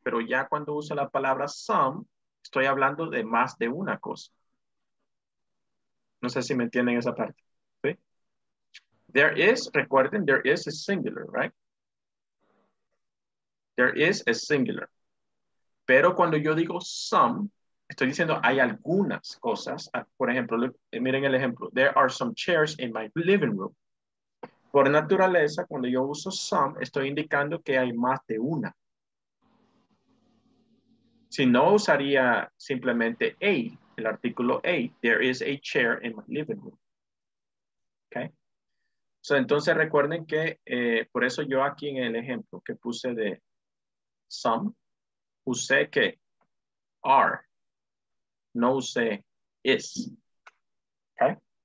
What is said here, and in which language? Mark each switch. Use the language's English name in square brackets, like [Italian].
[Spanish] Pero ya cuando uso la palabra some, estoy hablando de más de una cosa. No sé si me entienden esa parte. ¿Sí? [English] There is, [Spanish] recuerden, [English] there is a singular, right? There is a singular. [Spanish] Pero cuando yo digo some, estoy diciendo hay algunas cosas. Por ejemplo, miren el ejemplo. [English] There are some chairs in my living room. [Spanish] Por naturaleza, cuando yo uso some, estoy indicando que hay más de una. Si no, usaría simplemente a, el artículo a, [English] there is a chair in my living room. Okay. [Spanish] So, entonces recuerden que, por eso yo aquí en el ejemplo que puse de some, usé que are, no usé is. Okay.